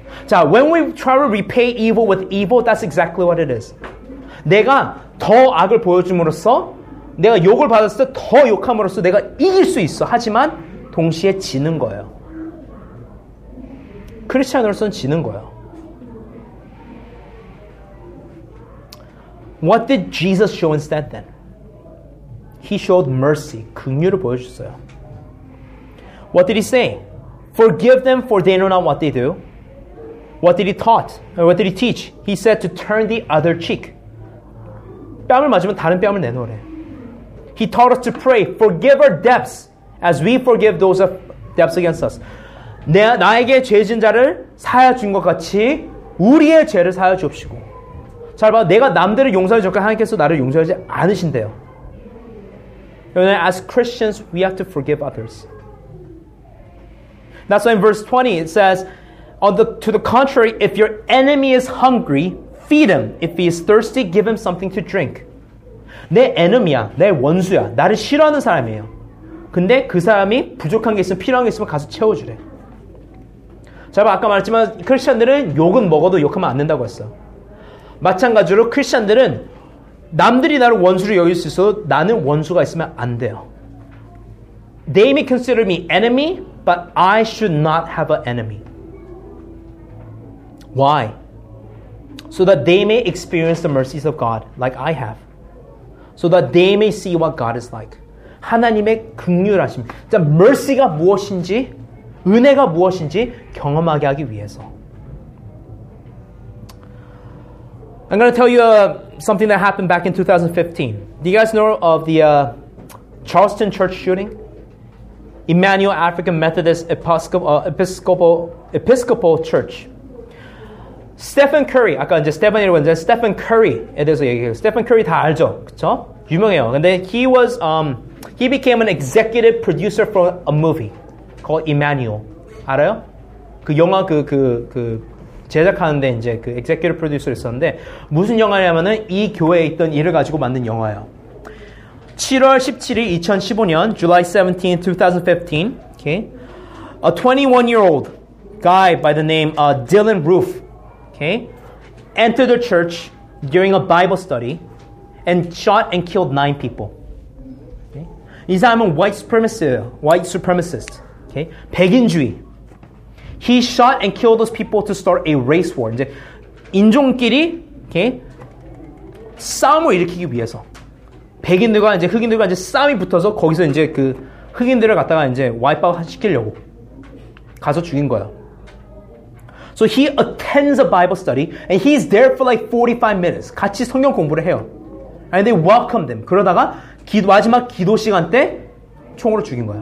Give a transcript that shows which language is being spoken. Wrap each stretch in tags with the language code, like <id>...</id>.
<en>자, when we try to repay evil with evil, that's exactly what it is.</en> <ko>내가 더 악을 보여줌으로써, 내가 욕을 받았을 때 더 욕함으로써 내가 이길 수 있어. 하지만 동시에 지는 거예요. 크리스찬으로서는 지는 거예요.</ko> <en>What did Jesus show instead then? He showed mercy,</en> <ko>긍휼을 보여줬어요.</ko> <en>What did he say? Forgive them for they know not what they do. What did he taught? Or what did he teach? He said to turn the other cheek.</en> <ko>뺨을 맞으면 다른 뺨을 내놓으래.</ko> <en>He taught us to pray, forgive our debts as we forgive those of debts against us.</en> <ko>나에게 죄진 자를 사하여 준 것 같이 우리의 죄를 사하여 주옵시고. 잘 봐, 내가 남들을 용서해 줄까 하나님께서 나를 용서하지 않으신대요.</ko> <en>As Christians, we have to forgive others. That's why in verse 20 it says, to the contrary, if your enemy is hungry, feed him. If he is thirsty, give him something to drink.</en> <ko>내 enemy야, 내 원수야, 나를 싫어하는 사람이에요. 근데 그 사람이 부족한 게 있으면, 필요한 게 있으면 가서 채워주래. 자, 아까 말했지만 크리스천들은 욕은 먹어도 욕하면 안 된다고 했어. 마찬가지로 크리스천들은 남들이 나를 원수로 여길 수 있어도 나는 원수가 있으면 안 돼요.</ko> <en>They may consider me enemy, but I should not have an enemy. Why? So that they may experience the mercies of God like I have. So that they may see what God is like.</en> <ko>하나님의 긍휼하심. 자, mercy가 무엇인지, 은혜가 무엇인지 경험하게 하기 위해서.</ko> <en>I'm going to tell you something that happened back in 2015. Do you guys know of the Charleston church shooting? Emmanuel African Methodist Episcopal Church.</en> <ko>Stephen Curry, 아까 이제 스테판이라고 했는데, Stephen Curry에 대해서 얘기해요. Stephen Curry 다 알죠? 그쵸? 유명해요.</ko> <en>근데 he became an executive producer for a movie called Emmanuel. 알아요?</en> <ko>그 영화 제작하는데 이제 그 executive producer 있었는데, 무슨 영화냐면은 이 교회에 있던 일을 가지고 만든 영화예요. 7월 17일 2015년,</ko> <en>July 17, 2015, okay? A 21-year-old guy by the name Dylan Roof, okay, entered the church during a Bible study and shot and killed 9 people.</en> <ko>Okay? 이 사람은 white supremacist, okay? 백인주의.</ko> <en>He shot and killed those people to start a race war.</en> <ko>이제 인종끼리, okay, 싸움을 일으키기 위해서 백인들과 이제 흑인들과 이제 싸움이 붙어서 거기서 이제 그 흑인들을 갖다가 이제 와이프아웃 시키려고 가서 죽인 거야.</ko> <en>So he attends a Bible study and he's there for like 45 minutes.</en> <ko>같이 성경 공부를 해요.</ko> <en>And they welcomed him.</en> <ko>그러다가 마지막 기도 시간 때 총으로 죽인 거야.</ko>